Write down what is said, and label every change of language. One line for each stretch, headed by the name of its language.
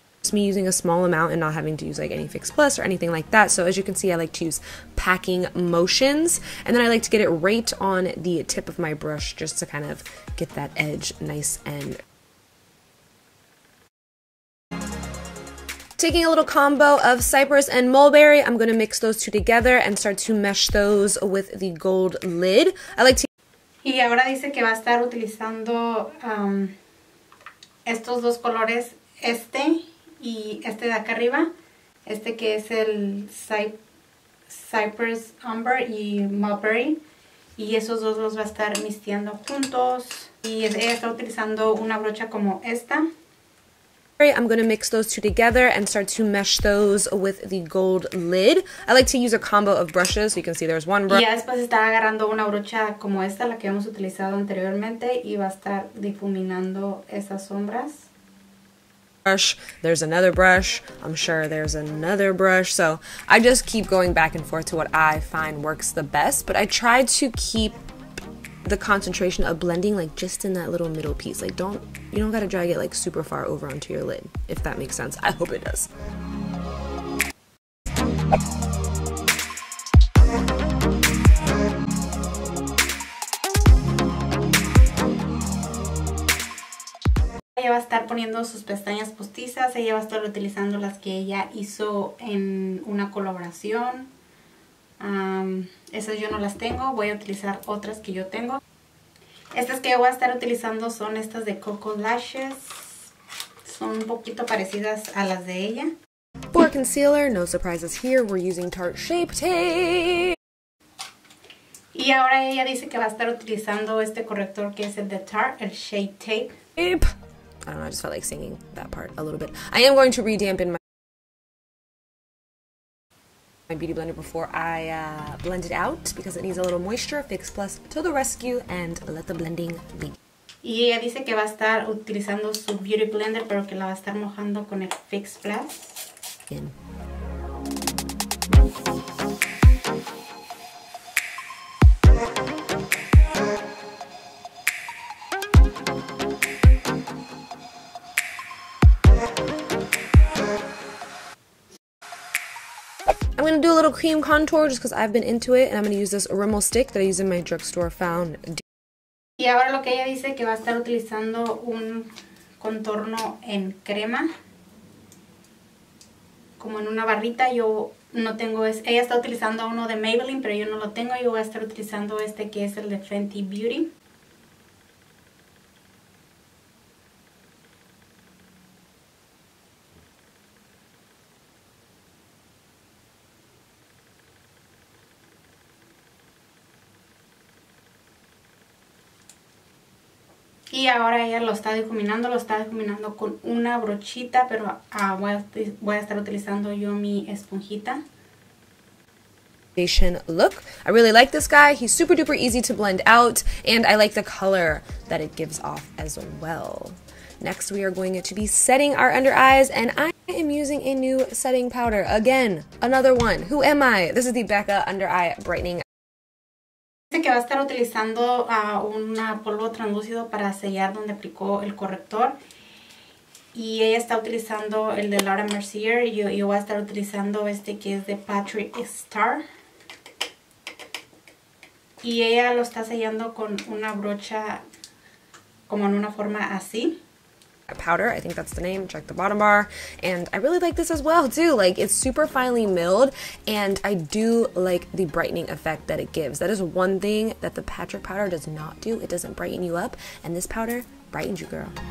English: Me using a small amount and not having to use like any Fix Plus or anything like that. So as you can see, I like to use packing motions, and then I like to get it right on the tip of my brush just to kind of get that edge nice and... Taking a little combo of Cypress and Mulberry, I'm going to mix those two together and start to mesh those with the gold lid. I like to...
Spanish: Y ahora dice que va a estar utilizando estos dos colores, este y este de acá arriba. Este que es el Cypress Umber y Mulberry. Y esos dos los va a estar mixteando juntos. Y ella está utilizando una brocha como esta.
English: I'm going to mix those two together and start to mesh those with the gold lid. I like to use a combo of brushes, so you can see there's one brush.
Spanish: Y después está agarrando una brocha como esta, la que hemos utilizado anteriormente, y va a estar difuminando esas sombras.
English: Brush, there's another brush, I'm sure there's another brush. So I just keep going back and forth to what I find works the best, but I try to keep the concentration of blending like just in that little middle piece. Like, you don't gotta drag it like super far over onto your lid, if that makes sense. I hope it does.
Spanish: Ella va a estar poniendo sus pestañas postizas. Ella va a estar utilizando las que ella hizo en una colaboración. Esas yo no las tengo. Voy a utilizar otras que yo tengo. Estas que voy a estar utilizando son estas de Coco Lashes. Son un poquito parecidas a las de ella.
English: For concealer, no surprises here, we're using Tarte Shape Tape.
Spanish: Y ahora ella dice que va a estar utilizando este corrector que es el de Tarte, el Shade Tape.
English: Yep. I don't know, I just felt like singing that part a little bit. I am going to redampen my beauty blender before I blend it out because it needs a little moisture. Fix Plus to the rescue and let the blending begin.
Spanish: Y ella dice que va a estar utilizando su beauty blender, pero que la va a estar mojando con el Fix Plus. Bien.
English: I'm gonna do a little cream contour just because I've been into it, and I'm gonna use this Rimmel stick that I use in my drugstore found.
Spanish: Y ahora lo que ella dice que va a estar utilizando un contorno en crema, como en una barrita. Yo no tengo ese. Ella está utilizando uno de Maybelline, pero yo no lo tengo. Yo voy a estar utilizando este que es el de Fenty Beauty. Y ahora ella lo está difuminando con una brochita, pero voy a estar utilizando yo mi esponjita.
English: Look, I really like this guy. He's super duper easy to blend out, and I like the color that it gives off as well. Next, we are going to be setting our under eyes, and I am using a new setting powder. Again, another one. Who am I? This is the Becca Under Eye Brightening.
Spanish: Dice que va a estar utilizando un polvo translúcido para sellar donde aplicó el corrector. Y ella está utilizando el de Laura Mercier. Yo voy a estar utilizando este que es de Patrick Star. Y ella lo está sellando con una brocha como en una forma así.
English: A powder, I think that's the name. Check the bottom bar. And I really like this as well too. Like, it's super finely milled, and I do like the brightening effect that it gives. That is one thing that the Patrick powder does not do. It doesn't brighten you up, and this powder brightens you, girl.